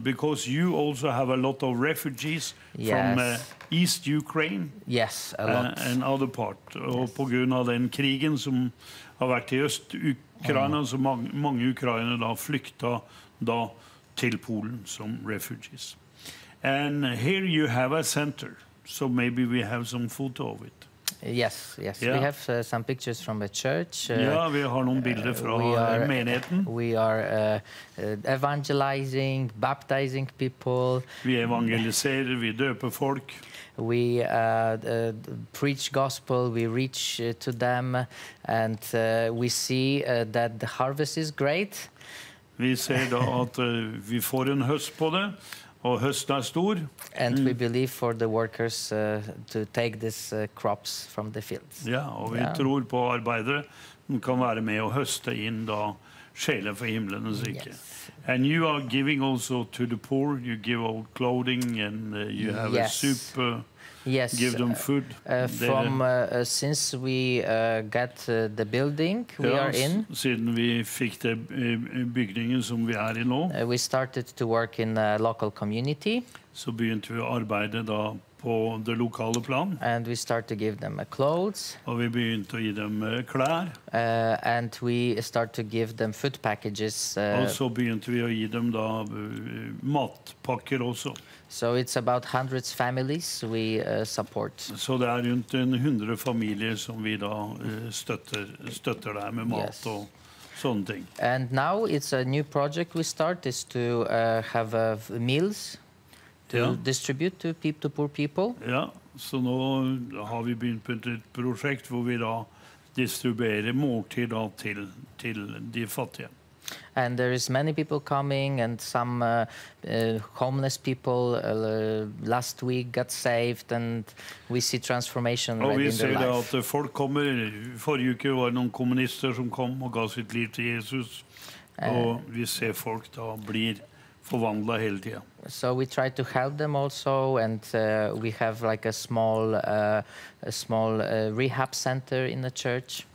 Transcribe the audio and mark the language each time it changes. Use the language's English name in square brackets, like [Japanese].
[English] Because you also have a lot of refugees from East Ukraine. Yes, a lot. And other part. [Norwegian] Og på grunn av den krigen som har vært I Øst-Ukraina, så mange ukrainer da flykta da til Polen som refugees. [English] And here you have a center, so maybe we have some photo of it. Yes, yes. Yeah. We have some pictures from a church. [Norwegian] Ja, vi har noen bilder fra menigheten. [English] We are evangelizing, baptizing people. [Norwegian] Vi evangeliserer, vi døper folk. [English] We preach gospel, we reach to them, and we see that the harvest is great. [Norwegian] Vi ser da at vi får en høst på det, og høsten stor. [English] And we believe for the workers to take these crops from the fields. [Norwegian] Ja, og vi tror på arbeidere som kan være med og høste inn da sjelen for himmelens rike. [English] Yes. And you are giving also to the poor, you give out clothing and you have a soup, give them food. Since we got the building we are in. [Norwegian] Siden vi fikk det bygningen som vi I nå. [English] We started to work in a local community. [Norwegian] Så begynte vi å arbeide da på det lokale plan. [English] And we start to give them clothes. [Norwegian] Og vi begynte å gi dem klær. [English] And we start to give them food packages. [Norwegian] Og så begynte vi å gi dem da matpakker også. [English] So it's about hundreds of families we support. [Norwegian] Så det rundt 100 familier som vi da støtter der med mat og sånne ting. [English] And now it's a new project we start is to have meals. To distribute to poor people. [Norwegian] Ja, så nå har vi begynt på et prosjekt hvor vi da distribuerer måltid da til de fattige. [English] And there is many people coming and some homeless people last week got saved and we see transformation right in their [Norwegian] life. Og vi ser at folk kommer, forrige uke var det noen kommunister som kom og ga sitt liv til Jesus. Og vi ser folk da blir forvandlet hele tiden. [English] So we try to help them also, and we have like a small rehab center in the church.